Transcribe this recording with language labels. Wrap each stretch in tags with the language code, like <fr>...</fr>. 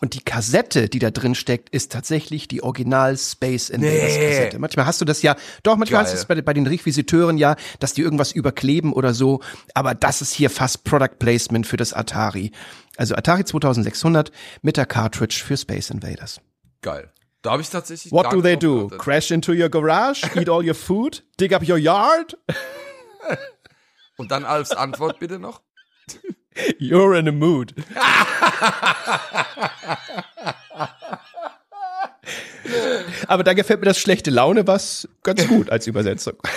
<de>Und die Kassette, die da drin steckt, ist tatsächlich die Original Space Invaders-Kassette. Nee. Manchmal hast du das ja, doch, manchmal Geil. Hast du es bei den Requisiteuren ja, dass die irgendwas überkleben oder so. Aber das ist hier fast Product Placement für das Atari. Also Atari 2600 mit der Cartridge für Space Invaders. Geil. Da habe ich tatsächlich.</de> <en>What do they do?</en> <de>Gehabt.</de> <en>Crash into your garage, eat all your food, dig up your yard?</en> <de>Und dann Alfs Antwort bitte noch.</de> <en>You're in a mood.</en> <de>Aber da gefällt mir das schlechte Laune was ganz gut als Übersetzung.</de>